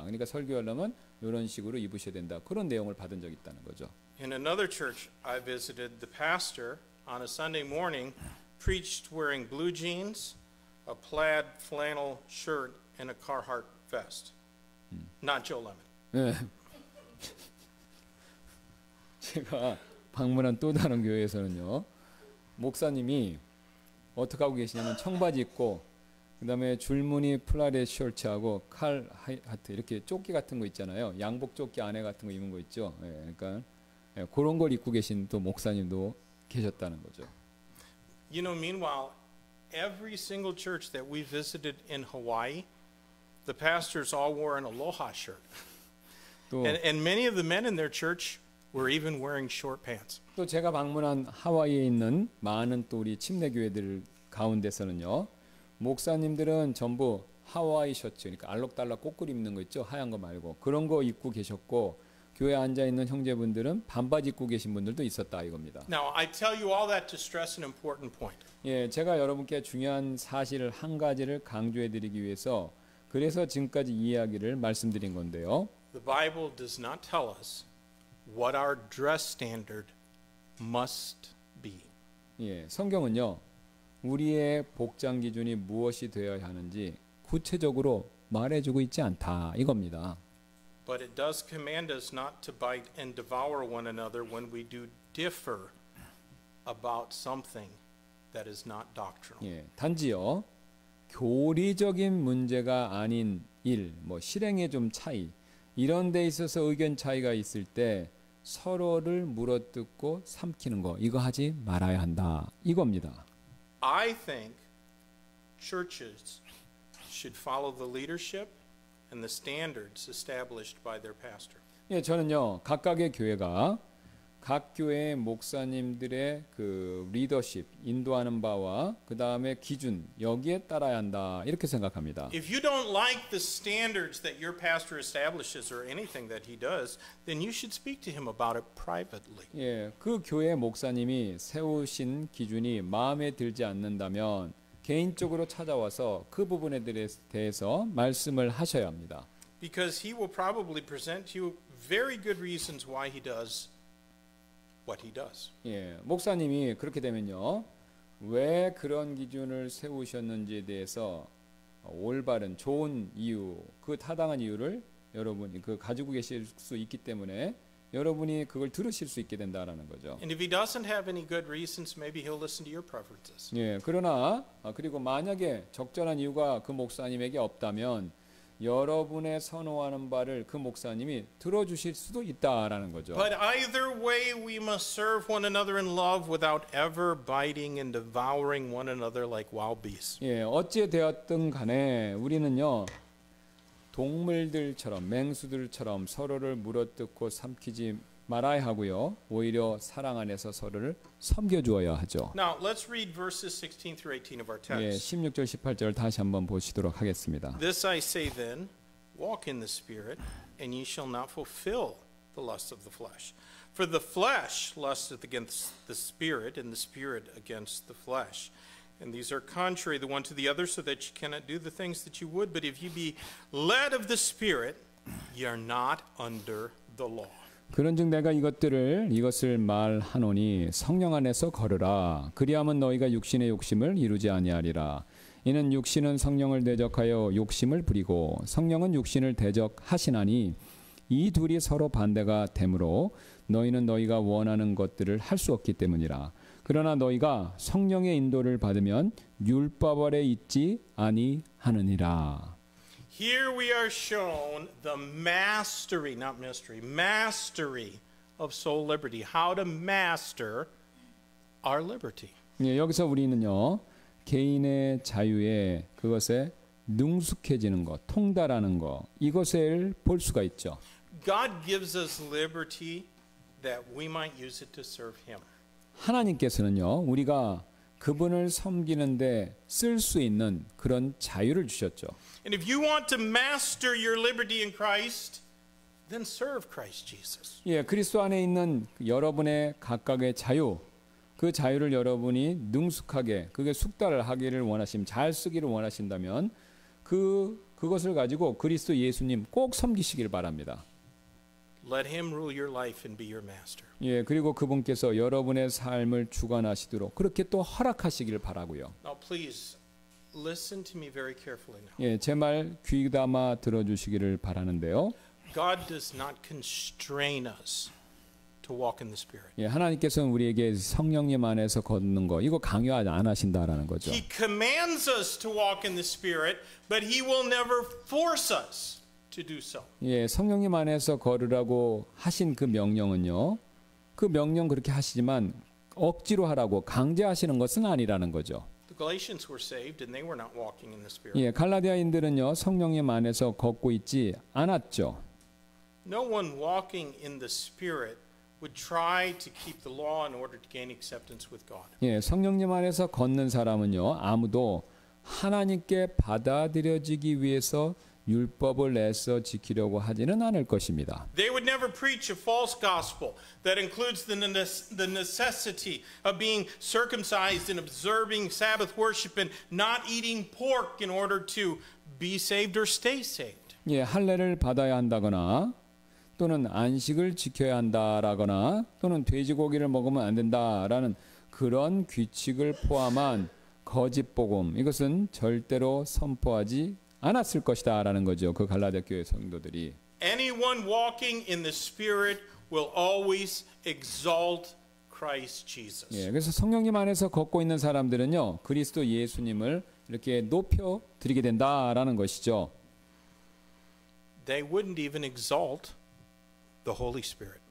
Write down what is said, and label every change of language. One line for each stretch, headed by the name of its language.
Korean: 그러니까 설교하려면 이런 식으로 입으셔야 된다. 그런 내용을 받은 적이 있다는 거죠.
English: In another church I visited the pastor on a Sunday morning preached wearing blue jeans, a plaid flannel shirt, and a Carhartt vest. Not Joe Lemon.
Korean: 제가 방문한 또 다른 교회에서는요. 목사님이 어떻게 하고 계시냐면 청바지 입고 그다음에 줄무늬 플라렛 셔츠하고 칼하트 이렇게 조끼 같은 거 있잖아요. 양복 조끼 안에 같은 거 입은 거 있죠. 예, 그러니까 예, 그런 걸 입고 계신 또 목사님도 계셨다는 거죠.
English: You know, meanwhile, every single church that we visited in Hawaii, the pastors all wore an aloha shirt. And many of the men in their church were even wearing short pants.
Korean: 또 제가 방문한 하와이에 있는 많은 또 우리 침례교회들 가운데서는요, 목사님들은 전부 하와이 셔츠, 그러니까 알록달록 꼬꾸리 입는 거 있죠, 하얀 거 말고 그런 거 입고 계셨고. 교회 앉아 있는 형제분들은 반바지 입고 계신 분들도 있었다 이겁니다.
English: Now I tell you all that to stress an important point.
Korean: 예, 제가 여러분께 중요한 사실을 한 가지를 강조해 드리기 위해서 그래서 지금까지 이야기를 말씀드린 건데요.
English: The Bible does not tell us what our dress standard must be.
Korean: 예, 성경은요. 우리의 복장 기준이 무엇이 되어야 하는지 구체적으로 말해 주고 있지 않다 이겁니다.
English: But it does command us not to bite and devour one another when we do differ about something that is not doctrinal.
Korean: 예, 단지요 교리적인 문제가 아닌 일, 뭐 실행의 좀 차이 이런 데 있어서 의견 차이가 있을 때 서로를 물어뜯고 삼키는 거 이거 하지 말아야 한다 이겁니다.
English: I think churches should follow the leadership. And the standards established by their pastor.
Korean: 예, 저는요 각각의 교회가 각 교회의 목사님들의 그 리더십 인도하는 바와 그 다음에 기준 여기에 따라야 한다 이렇게 생각합니다.
English: If you don't like the standards that your pastor establishes or anything that he does, then you should speak to him about it privately.
Korean: 예, 그 교회의 목사님이 세우신 기준이 마음에 들지 않는다면. 개인적으로 찾아와서 그 부분에 대해서 말씀을 하셔야 합니다.
English: Because he will probably present you very good reasons why he does what he does.
Korean: 예, 목사님이 그렇게 되면요. 왜 그런 기준을 세우셨는지에 대해서 올바른 좋은 이유, 그 타당한 이유를 여러분이 그 가지고 계실 수 있기 때문에 여러분이 그걸 들으실 수 있게 된다라는 거죠.
English: And if he doesn't have any good reasons, maybe he'll listen to your preferences.
Korean: 예, 그러나 그리고 만약에 적절한 이유가 그 목사님에게 없다면 여러분의 선호하는 바를 그 목사님이 들어주실 수도 있다라는 거죠.
English: But either way, we must serve one another in love without ever biting and devouring one another like wild beasts.
Korean: 예, 어찌 되었든 간에 우리는요. 동물들처럼 맹수들처럼 서로를 물어뜯고 삼키지 말아야 하고요. 오히려 사랑 안에서 서로를 섬겨 주어야 하죠.
English: Now let's read verses 16 through 18 of our text.
Korean: 예, 16절 18절 다시 한번 보시도록 하겠습니다.
English: This I say then, walk in the spirit and ye shall not fulfill the lust of the flesh. For the flesh lusteth against the spirit and the spirit against the flesh. And these are contrary the one to the other, so that you cannot do the things that you would. But if you be led of the Spirit, you are not under the law.
Korean: 그런즉 내가 이것을 말하노니 성령 안에서 걸으라. 그리하면 너희가 육신의 욕심을 이루지 아니하리라. 이는 육신은 성령을 대적하여 욕심을 부리고 성령은 육신을 대적하시나니 이 둘이 서로 반대가 되므로 너희는 너희가 원하는 것들을 할 수 없기 때문이라. 그러나 너희가 성령의 인도를 받으면 율법 아래 있지 아니하느니라.
English: Here we are shown the mastery, not mystery, mastery of soul liberty. How to master our liberty.
Korean: 예, 여기서 우리는요 개인의 자유에 그것에 능숙해지는 것, 통달하는 것 이것을 볼 수가 있죠.
English: God gives us liberty that we might use it to serve Him.
Korean: 하나님께서는요 우리가 그분을 섬기는데 쓸 수 있는 그런 자유를 주셨죠.
English: And if you want to master your liberty in Christ, then serve Christ Jesus.
Korean: 예, 그리스도 안에 있는 여러분의 각각의 자유, 그 자유를 여러분이 능숙하게 그게 숙달을 하기를 원하심, 잘 쓰기를 원하신다면 그것을 가지고 그리스도 예수님 꼭 섬기시길 바랍니다.
English: Let him rule your life and be your master.
Korean: 예, 그리고 그분께서 여러분의 삶을 주관하시도록 그렇게 또 허락하시길 바라고요.
English: Now please listen to me very carefully now.
Korean: 예, 제 말 귀담아 들어주시기를 바라는데요.
English: God does not constrain us to walk in the Spirit.
Korean: 예, 하나님께서는 우리에게 성령님 안에서 걷는 거 이거 강요 안 하신다라는 거죠.
English: He commands us to walk in the Spirit, but he will never force us. To do so.
Korean: 예, 성령님 안에서 걸으라고 하신 그 명령은요. 그 명령 그렇게 하시지만 억지로 하라고 강제하시는 것은 아니라는 거죠.
English: The Galatians were saved and they were not walking in the spirit.
Korean: 예, 갈라디아인들은요. 성령님 안에서 걷고 있지 않았죠.
English: No one walking in the spirit would try to keep the law in order to gain acceptance with God.
Korean: 예, 성령님 안에서 걷는 사람은요. 아무도 하나님께 받아들여지기 위해서 율법을 애써 지키려고 하지는 않을 것입니다.
English: They would never preach a false gospel that includes the necessity of being circumcised and observing Sabbath worship and not eating pork in order to be saved or stay saved.
Korean: 예, 할례를 받아야 한다거나 또는 안식을 지켜야 한다라거나 또는 돼지고기를 먹으면 안 된다라는 그런 규칙을 포함한 거짓 복음 이것은 절대로 선포하지 않았을 것이다 라는 거죠. 그 갈라디아 교회 성도들이.
English: Anyone walking in the spirit will always exalt Christ Jesus.
Korean: 예, 그래서 성령님 안에서 걷고 있는 사람들은요. 그리스도 예수님을 이렇게 높여 드리게 된다라는 것이죠.
English: They wouldn't even exalt the Holy Spirit.